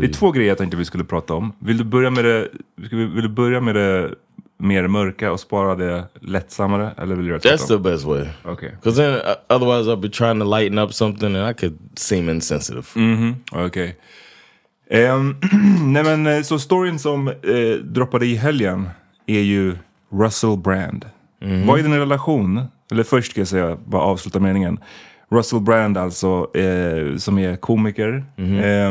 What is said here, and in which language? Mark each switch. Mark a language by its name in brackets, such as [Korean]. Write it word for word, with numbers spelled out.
[Swedish] Det är två grejer jag tänkte vi skulle prata om. Vill du börja med det... Vill du börja med det... mer mörka och spara det lättsammare, eller vill du göra det? [English] That's the best way. Okay. Cuz then uh, otherwise I'll be trying to lighten up something and I could seem insensitive. Mhm. Okej. Okay. [Swedish] Um, nej men så storyn som eh, droppade i helgen är ju Russell Brand. Mm-hmm. Vad är din relation? Eller först ska jag säga bara avsluta meningen. Russell Brand alltså eh, som är komiker, mm-hmm.